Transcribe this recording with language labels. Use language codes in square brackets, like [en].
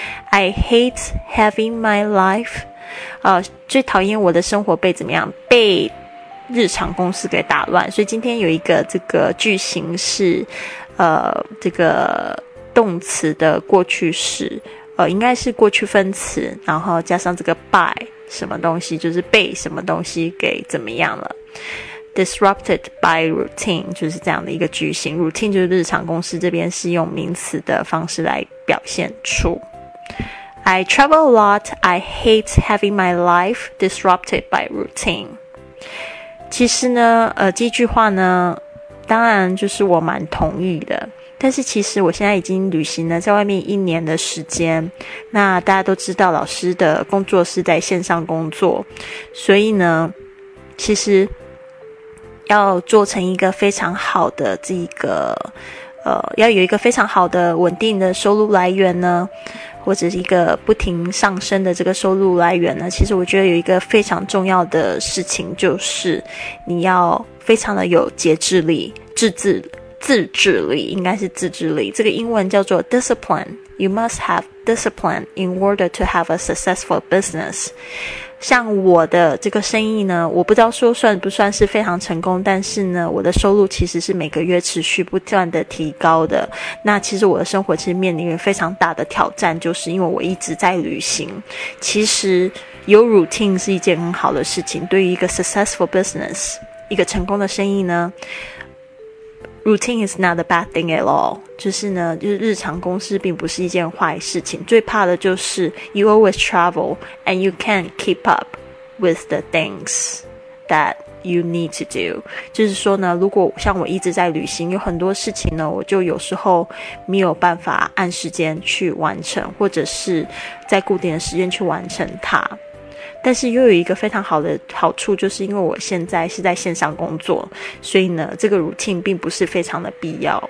[en] I hate having my life [zh] 最讨厌我的生活被怎么样，被日常公事给打乱，所以今天有一个这个句型是这个动词的过去式，应该是过去分词，然后加上这个 by 什么东西，就是被什么东西给怎么样了， [en] disrupted by routine [zh] 就是这样的一个句型， routine 就是日常公事，这边是用名词的方式来表现出。 [en] I travel a lot, I hate having my life disrupted by routine. [zh] 其实呢这句话呢当然就是我蛮同意的，但是其实我现在已经旅行了在外面一年的时间，那大家都知道老师的工作是在线上工作，所以呢其实要做成一个非常好的这个要有一个非常好的稳定的收入来源呢，或者是一个不停上升的这个收入来源呢，其实我觉得有一个非常重要的事情，就是你要非常的有节制力，自制力，应该是自制力，这个英文叫做 discipline， [en] You must have discipline in order to have a successful business. [zh] 像我的这个生意呢，我不知道说算不算是非常成功，但是呢，我的收入其实是每个月持续不断的提高的。那其实我的生活其实面临非常大的挑战，就是因为我一直在旅行。其实有 routine 是一件很好的事情，对于一个 successful business, 一个成功的生意呢， [en] Routine is not a bad thing at all. [zh] 就是呢，就是日常公事并不是一件坏事情。最怕的就是 [en] you always travel and you can't keep up with the things that you need to do. [zh] 就是说呢，如果像我一直在旅行，有很多事情呢，我就有时候没有办法按时间去完成，或者是在固定的时间去完成它。但是又有一个非常好的好处，就是因为我现在是在线上工作，所以呢，这个 routine 并不是非常的必要。